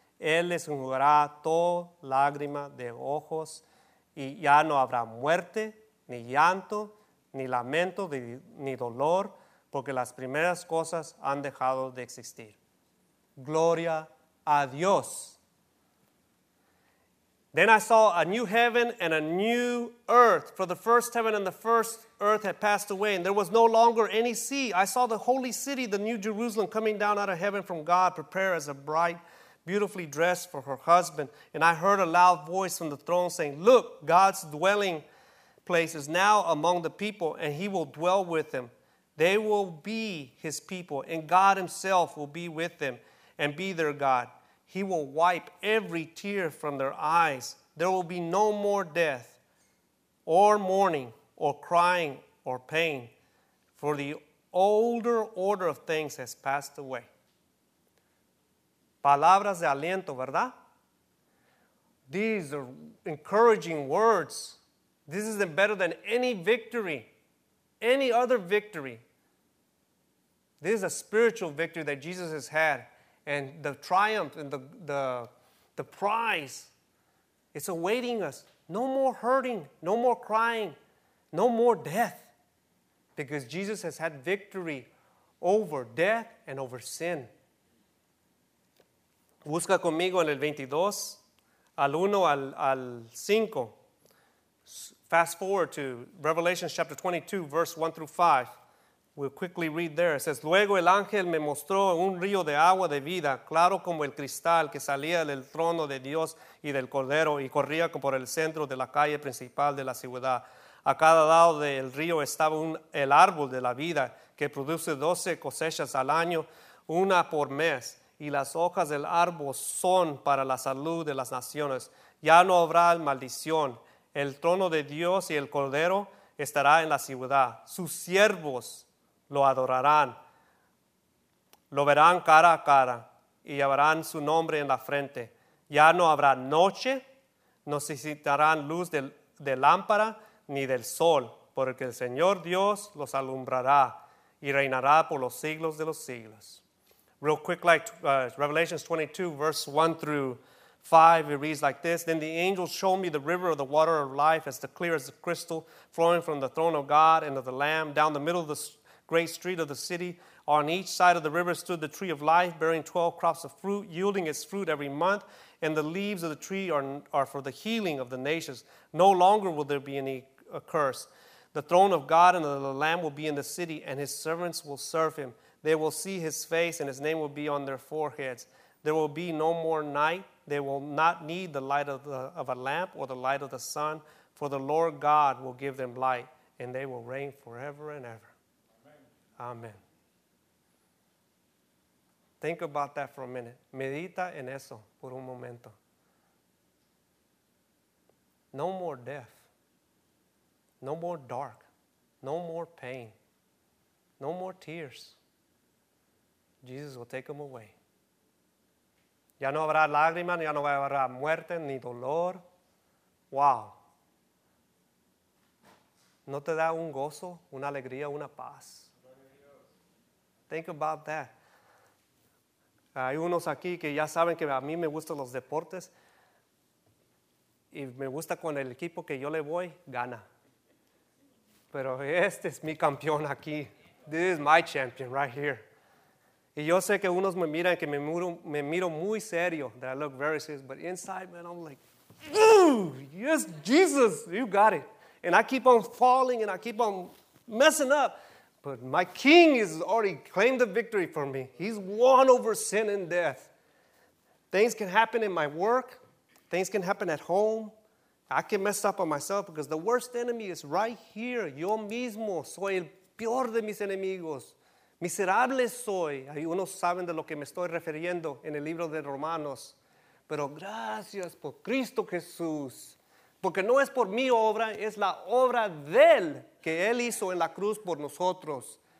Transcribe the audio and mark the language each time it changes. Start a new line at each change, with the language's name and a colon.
Spanish: Él les enjugará toda lágrima de ojos y ya no habrá muerte, ni llanto, ni lamento, ni dolor, porque las primeras cosas han dejado de existir. Gloria a Dios.
English: Then I saw a new heaven and a new earth, for the first heaven and the first earth had passed away, and there was no longer any sea. I saw the holy city, the new Jerusalem, coming down out of heaven from God, prepared as a bride, beautifully dressed for her husband. And I heard a loud voice from the throne saying, Look, God's dwelling place is now among the people, and he will dwell with them. They will be his people, and God himself will be with them and be their God. He will wipe every tear from their eyes. There will be no more death, or mourning, or crying, or pain, for the older order of things has passed away.
Spanish: Palabras de aliento, ¿verdad?
English: These are encouraging words. This is better than any victory, any other victory. This is a spiritual victory that Jesus has had. And the triumph and the prize, it's awaiting us. No more hurting, no more crying, no more death. Because Jesus has had victory over death and over sin.
Spanish: Busca conmigo en el 22, al 1 al, al 5.
English: Fast forward to Revelation chapter 22, verse 1 through 5. We'll quickly read there. It says,
Spanish: Luego el ángel me mostró un río de agua de vida, claro como el cristal, que salía del trono de Dios y del Cordero, y corría por el centro de la calle principal de la ciudad. A cada lado del río estaba el árbol de la vida, que produce 12 cosechas al año, una por mes, y las hojas del árbol son para la salud de las naciones. Ya no habrá maldición. El trono de Dios y el Cordero estará en la ciudad. Sus siervos lo adorarán, lo verán cara a cara y llevarán su nombre en la frente. Ya no habrá noche, no necesitarán luz de lámpara ni del sol, porque el Señor Dios los alumbrará y reinará por los siglos de los siglos.
English: Real quick, like Revelation 22, verse 1 through 5, it reads like this. Then the angel showed me the river of the water of life as the clear as the crystal, flowing from the throne of God and of the Lamb down the middle of the great street of the city. On each side of the river stood the tree of life, bearing 12 crops of fruit, yielding its fruit every month. And the leaves of the tree are for the healing of the nations. No longer will there be any curse. The throne of God and of the Lamb will be in the city, and his servants will serve him. They will see his face, and his name will be on their foreheads. There will be no more night. They will not need the light of a lamp or the light of the sun, for the Lord God will give them light, and they will reign forever and ever. Amen. Think about that for a minute.
Spanish: Medita en eso por un momento.
English: No more death. No more dark. No more pain. No more tears. Jesus will take them away.
Spanish: Ya no habrá lágrimas, ya no habrá muerte ni dolor. Wow. ¿No te da un gozo, una alegría, una paz?
English: Think about that.
Spanish: Hay unos aquí que ya saben que a mí me gustan los deportes. Y me gusta cuando el equipo que yo le voy, gana. Pero este es mi campeón aquí.
English: This is my champion right here.
Spanish: Y yo sé que unos me miran que me miro muy serio.
English: That I look very serious. But inside, man, I'm like, yes, Jesus, you got it. And I keep on falling and I keep on messing up. But my king has already claimed the victory for me. He's won over sin and death. Things can happen in my work. Things can happen at home. I can mess up on myself because the worst enemy is right here.
Spanish: Yo mismo soy el peor de mis enemigos. Miserable soy. Hay unos saben de lo que me estoy refiriendo en el libro de Romanos. Pero gracias por Cristo Jesús. Porque no es por mi obra, es la obra de Él que Él hizo en la cruz por nosotros.